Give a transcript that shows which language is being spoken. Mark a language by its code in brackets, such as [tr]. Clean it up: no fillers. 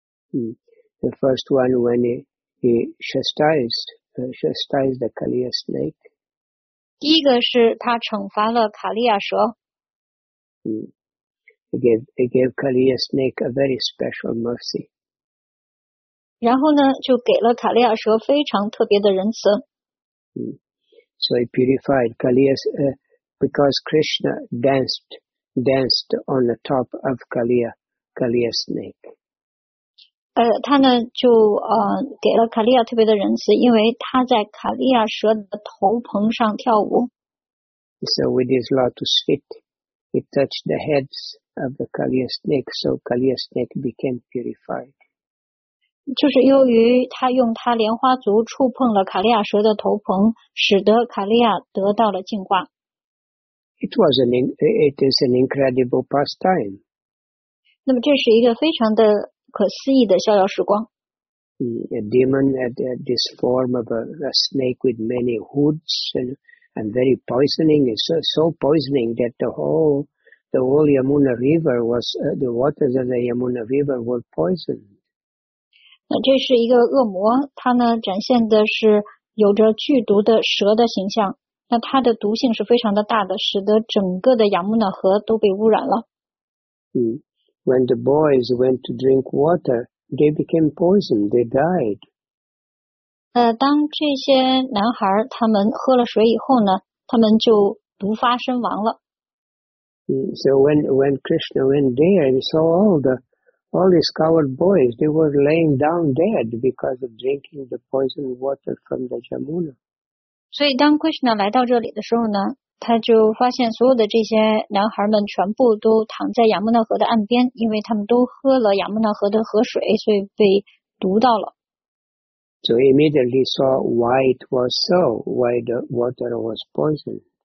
[en] The first one when He chastised the Kaliya snake. [zh] 第一个是他惩罚了卡利亚蛇。 [en] He gave Kaliya snake a very special mercy. [zh] 然后呢，就给了卡利亚蛇非常特别的仁慈。 [en] So he purified Kaliya, because Krishna danced on the top of Kaliya snake. [zh] 他呢就给了卡利亚特别的仁慈，因为他在卡利亚蛇的头棚上跳舞。 [en] So with his lotus feet, he touched the heads of the Kaliya snake, so Kaliya snake became purified. [zh] 就是由于他用他莲花足触碰了卡利亚蛇的头棚，使得卡利亚得到了净化。 [en] It is an incredible pastime. [zh] 那么这是一个非常的。可思议的逍遥时光。 [en] A demon had this form of a snake with many hoods and very poisoning. It's so poisoning that the whole Yamuna River the waters of the Yamuna River were poisoned. [zh] 那这是一个恶魔，它呢展现的是有着剧毒的蛇的形象。那它的毒性是非常的大的，使得整个的Yamuna河都被污染了。 [en] When the boys went to drink water, they became poisoned. They died. [zh] 当这些男孩他们喝了水以后呢，他们就毒发身亡了。 [en] So when Krishna went there and saw all these coward boys, they were laying down dead because of drinking the poisoned water from the Yamuna. [zh] 所以当 Krishna 来到这里的时候呢？他就发现所有的这些男孩们全部都躺在亚穆纳河的岸边，因为他们都喝了亚穆纳河的河水，所以被毒到了。 [en] So he immediately saw why it was so, why the water was poisoned.